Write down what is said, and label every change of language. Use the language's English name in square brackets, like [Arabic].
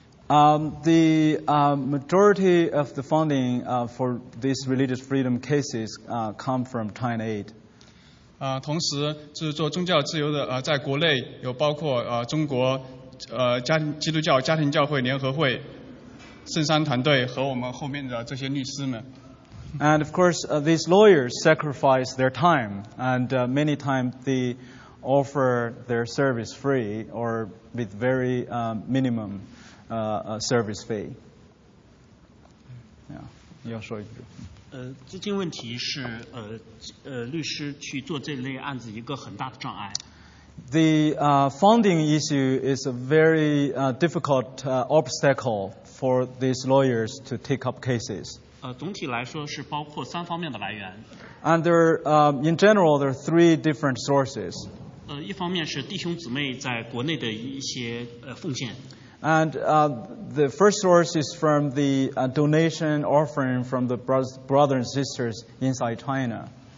[English] Majority of the funding for these religious freedom cases come from China Aid。 [Chinese] 同时就是做宗教自由的在国内有包括中国基督教家庭教会联合会。圣山团队和我们后面的这些律师们。 [English] And of course, these lawyers sacrifice their time, and many times they offer their service free or with very minimum service fee. [Chinese] Yeah, 要说一句。资金问题是律师去做这类案子一个很大的障碍。 [English] The funding issue is a very difficult obstacle for these lawyers to take up cases. [Chinese] 总体来说是包括三方面的来源。 [English] And there, in general, there are three different sources. [Chinese] 一方面是弟兄姊妹在国内的一些奉献。 [English] And the first source is from the donation offering from the brothers and sisters inside China.